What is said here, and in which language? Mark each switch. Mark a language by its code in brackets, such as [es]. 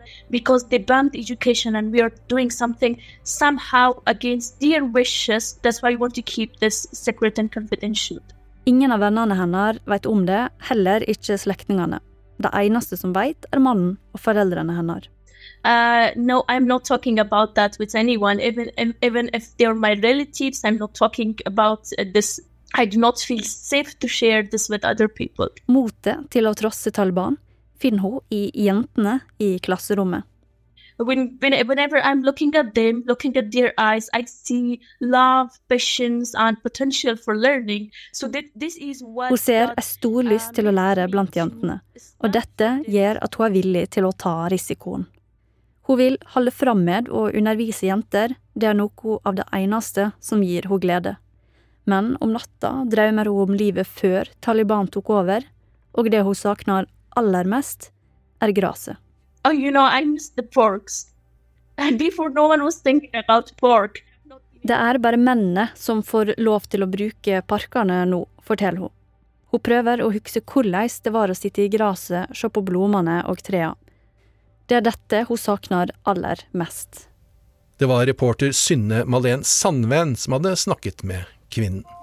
[en] Because they banned education and we are doing something somehow against their wishes. That's why we want to keep this secret and confidential. [no] Ingen av vennene hennes vet om det, heller ikke slektingene. Det eneste som vet er mannen og foreldrene hennes. [en] No, I'm not talking about that with anyone. Even if they're my relatives, I'm not talking about this. I do not feel safe to share this with other people. [no] Mote til å trosse Taliban finner hun i jentene i klasserommet. [en] Whenever I'm looking at them, looking at their eyes, I see love, patience and potential for learning. So this is what. [no] Hun ser en stor lyst til å lære blant jentene, og dette gjør at hun er villig til å ta risikoen. Hun vil holde frem med å undervise jenter. Det er noe av det eneste som gir hun glede. Men om natta drømmer hun om livet før Taliban tok over, og det hun saknar aller mest er graset. [en] Oh, you know, I miss the porks. And before no one was thinking about pork. [no] Det er bare mennene som får lov til å bruke parkene nå, forteller hun. Hun prøver å huske hvordan det var å sitte i graset, se på blomene og trea. Det er dette hun saknar aller mest. Det var reporter Synne Malén Sandven som hadde snakket med kvinnen.